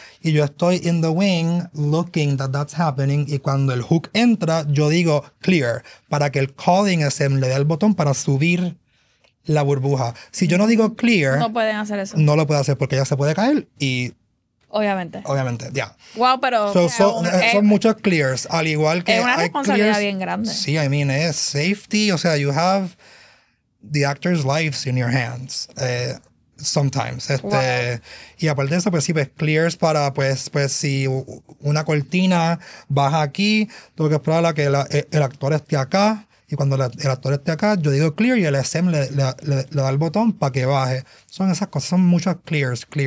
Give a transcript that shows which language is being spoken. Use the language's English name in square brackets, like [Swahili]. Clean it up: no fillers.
[Spanish] Y yo estoy [English] in the wing looking that that's happening. [Spanish] Y cuando el hook entra, yo digo clear para que el calling ensemble le dé el botón para subir la burbuja. Si yo no digo clear, no pueden hacer eso. No lo puede hacer porque ella se puede caer y... Obviamente, ya. Yeah. Wow, pero... Son muchos clears, al igual que... Es una responsabilidad clears, bien grande. Sí, [English] I mean, [Spanish] es safety. O sea, [English] you have the actors' lives in your hands sometimes. [Spanish] Y aparte de eso, pues sí, pues clears para, pues si una cortina baja aquí, tengo que esperar a que el actor esté acá. Y cuando el actor esté acá, yo digo clear y el SM le da el botón para que baje. Son esas cosas, son muchas clears.